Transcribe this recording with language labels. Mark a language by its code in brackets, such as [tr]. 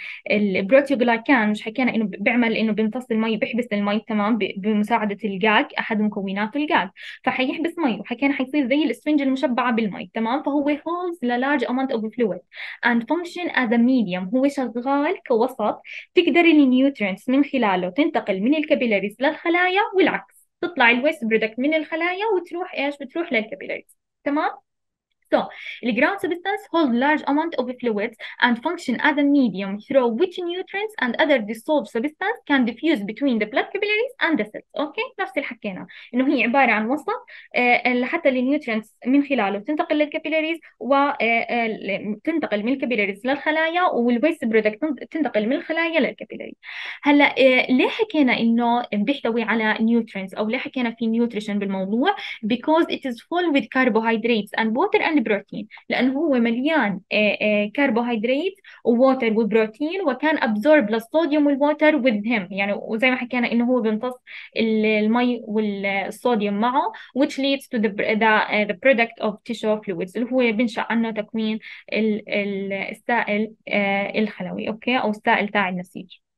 [ar] البروتيوغلايكان، مش حكينا انه بيعمل انه بيمتص المي، بيحبس المي، تمام، بمساعده الجاك، احد مكونات الجاك، فحيحبس مي، وحكينا حيصير زي الاسفنج المشبعه بالمي، تمام، فهو [en] holds large amount of fluid and function as a medium, [ar] هو شغال كوسط تقدر النيوترينتس من خلاله تنتقل من الكابيلاريز للخلايا والعكس، تطلع الويست برودكت من الخلايا وتروح ايش؟ بتروح للكابيلاريز، تمام. [en] So, the ground substance holds large amount of fluids and function as a medium through which nutrients and other dissolved substances can diffuse between the blood capillaries and the cells. [ar] Okay, نفس اللي حكينا انه هي عباره عن وسط حتى النيوترينتس من خلاله تنتقل للكابيلاريز وتنتقل من الكابيلاريز للخلايا والويست برودكت تنتقل من الخلايا للكابيلاري. هلا ليه حكينا انه بيحتوي على نيوترينتس او ليه حكينا في نيوتريشن بالموضوع؟ [en] Because it is full with carbohydrates and water [ar] البروتين، لانه هو مليان كربوهيدرات ووتر وبروتين، وكان ابزورب للصوديوم والووتر وذ هيم، يعني وزي ما حكينا انه هو بيمتص المي والصوديوم معه، [en] which leads to the product of tissue fluids [ar] اللي هو بينشا عنه تكوين السائل الخلوي، اوكي، او السائل تاع النسيج.